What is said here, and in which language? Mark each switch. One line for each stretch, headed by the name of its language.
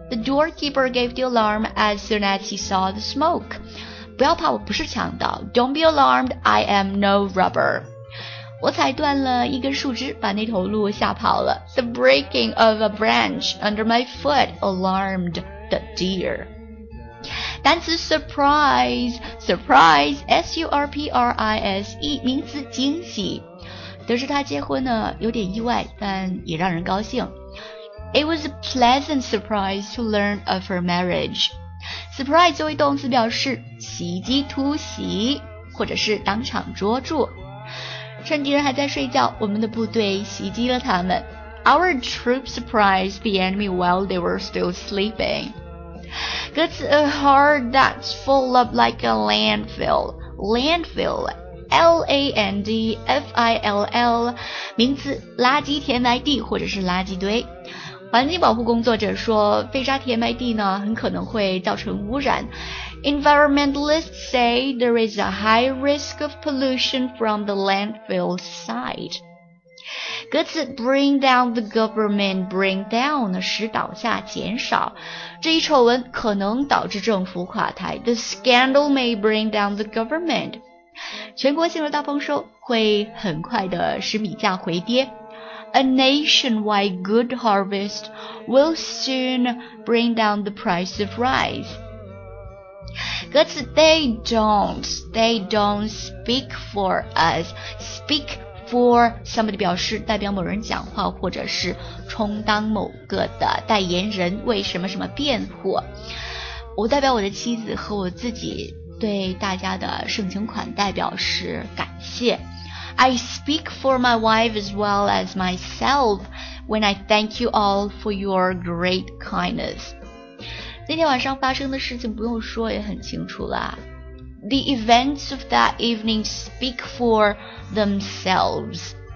English: The doorkeeper gave the alarm as soon as he saw the smoke.
Chinese: 不要怕，我不是强盗。
English: Don't be alarmed, I am no robber.
Chinese: 我踩断了一根树枝，把那头鹿吓跑了。
English: The breaking of a branch under my foot alarmed the deer.
Chinese: 单词 surprise, surprise, S-U-R-P-R-I-S-E, 名词惊喜。得知他结婚呢，有点意外，但也让人高兴。
English: It was a pleasant surprise to learn of her marriage.
Chinese: Surprise 作为动词表示袭击、突袭，或者是当场捉住。趁敌人还在睡觉，我们的部队袭击了他们。
English: Our troops surprised the enemy while they were still sleeping.
Chinese: 歌词
English: a heart that's full up like a landfill.
Chinese: Landfill, L-A-N-D-F-I-L-L, 名词垃圾填埋地或者是垃圾堆。环境保护工作者说，废渣填埋地呢，很可能会造成污染。
English: Environmentalists say there is a high risk of pollution from the landfill site.
Chinese: 歌词
English: bring down the government,
Chinese: bring down 呢，使倒下减少，这一丑闻可能导致政府垮台。
English: The scandal may bring down the government.
Chinese: 全国性的大丰收会很快的使米价回跌。
English: A nationwide good harvest will soon bring down the price of rice.
Chinese: 歌词
English: they don't speak for us.
Chinese: Speak for somebody 表示代表某人讲话，或者是充当某个的代言人，为什么什么辩护。我代表我的妻子和我自己对大家的盛情款待表示感谢。
English: I speak for my wife as well as myself when I thank you all for your great kindness.
Chinese: 那天晚上发生的事情不用说也很清楚了。
English: The events of that evening speak for themselves.